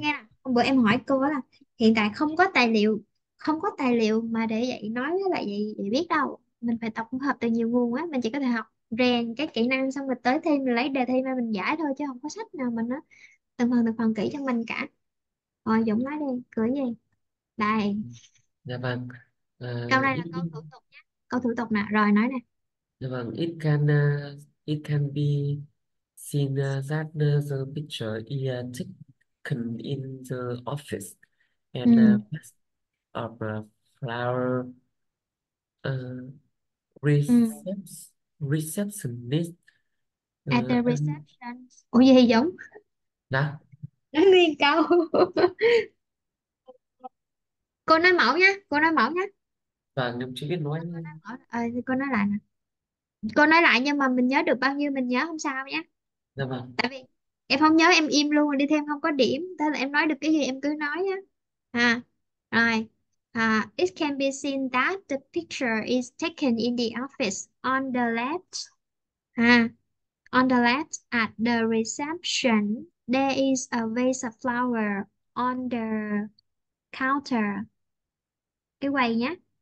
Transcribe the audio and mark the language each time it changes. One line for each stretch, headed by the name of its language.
Vietnamese: nghe nè, hôm bữa em hỏi cô là hiện tại không có tài liệu mà để dạy nói với lại gì để biết đâu, mình phải tập hợp từ nhiều nguồn á, mình chỉ có thể học rèn cái kỹ năng xong rồi tới thêm lấy đề thi mà mình giải thôi, chứ không có sách nào mà nó từng phần kỹ cho mình cả. Rồi Dũng nói đi, cửa gì đây, Dạ vâng. câu này là câu thủ tục nhé, câu thủ tục nè. Rồi nói nè.
English: It can be seen that the picture is taken in the office and of a flower receptionist At the reception.
Vietnamese: Ủa gì đã giống? Nói nguyên câu. Cô nói mẫu nhé, cô nói mẫu nhé. và ngâm chữ biết Cô nói. nói mẫu. Cô nói lại nè. Cô nói lại nhưng mà mình nhớ được bao nhiêu mình nhớ không sao nhé. Dạ vâng. Tại vì em không nhớ em im luôn, đi thêm không có điểm. Thế là em nói được cái gì em cứ nói nhé. À, rồi.
English: It can be seen that the picture is taken in the office on the left. On the left at the reception, there is a vase of flower on the counter.
Vietnamese: Cái quầy nhé.